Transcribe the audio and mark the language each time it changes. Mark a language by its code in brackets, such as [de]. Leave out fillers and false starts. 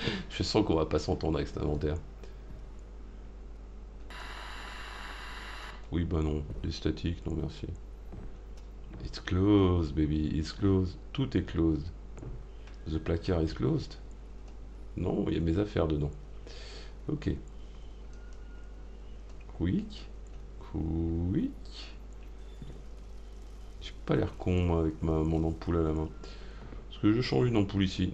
[fr] Je sens qu'on va pas s'entendre avec cet inventaire. Oui, bah non, les statiques, non merci. [en] It's closed, baby, it's closed. [fr] Tout est closed. [en] The placard is closed. [fr] Non, il y a mes affaires dedans. Ok. [en] Quick. Quick. [fr] J'ai pas l'air con, moi, avec mon ampoule à la main. Est-ce que je change une ampoule ici?